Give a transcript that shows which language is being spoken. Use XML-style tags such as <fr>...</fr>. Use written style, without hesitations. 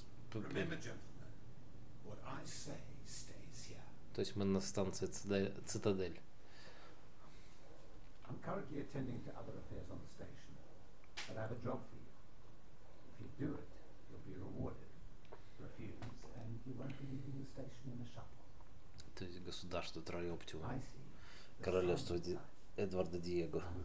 <ru>То есть мы на станции Цитадель.</ru> <en>I'm currently attending to other affairs on the station, but I have a job for you. If you do it, you'll be rewarded. Refuse, and you won't be leaving the station in a shuttle.</en> <ru>То есть государство Трайоптиум. Королевство Эдварда Диего.</ru>